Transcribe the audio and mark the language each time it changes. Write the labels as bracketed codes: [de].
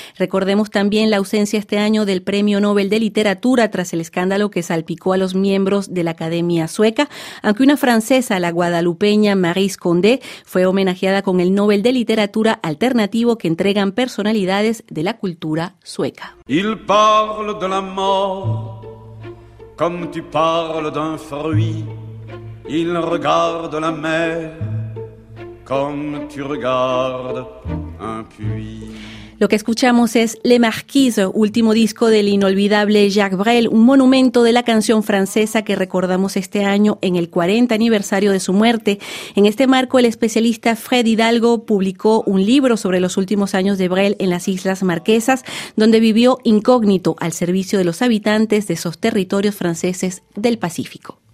[es] Recordemos también la ausencia este año del Premio Nobel de Literatura tras el escándalo que salpicó a los miembros de la Academia Sueca, aunque una francesa, la guadalupeña Maryse Condé, fue homenajeada con el Nobel de Literatura Alternativo que entregan personalidades de la cultura sueca. [fr] Il parle de la mort comme tu parles d'un fruit. Il regarde la mer comme tu regardes un puits. [es] Lo que escuchamos es Le Marquis, último disco del inolvidable Jacques Brel, un monumento de la canción francesa que recordamos este año en el 40 aniversario de su muerte. En este marco, el especialista Fred Hidalgo publicó un libro sobre los últimos años de Brel en las Islas Marquesas, donde vivió incógnito al servicio de los habitantes de esos territorios franceses del Pacífico.